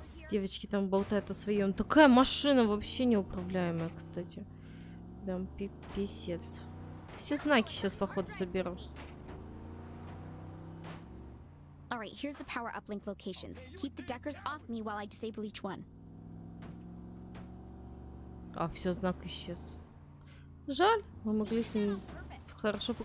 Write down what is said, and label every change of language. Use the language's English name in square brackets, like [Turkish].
[Russian] Девочки там болтают о своем. Такая машина вообще неуправляемая, кстати. Там писец. Все знаки сейчас, походу, соберу. [English] Alright, here's the power uplink locations. Keep the deckers off me while I disable each one. [Russian] А, все, знак исчез. Жаль, мы могли с ним хорошо...